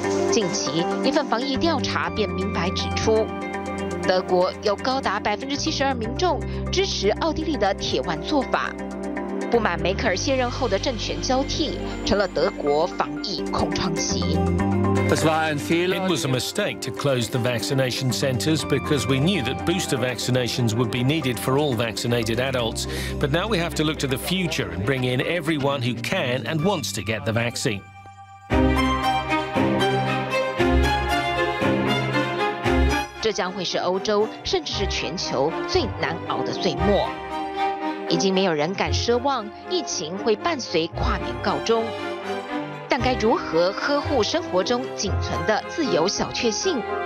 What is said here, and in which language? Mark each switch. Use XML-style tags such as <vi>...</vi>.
<zh>近期一份防疫调查便明白指出，德国有高达72%民众支持奥地利的铁腕做法，不满梅克尔卸任后的政权交替，成了德国防疫空窗期。</zh> <en>It was a mistake to close the vaccination centers because we knew that booster vaccinations would be needed for all vaccinated adults. But now we have to look to the future and bring in everyone who can and wants to get the vaccine.</en> <zh>这将会是欧洲甚至是全球最难熬的岁末。已经没有人敢奢望疫情会伴随跨年告终。但该如何呵护生活中仅存的自由小确幸？</zh>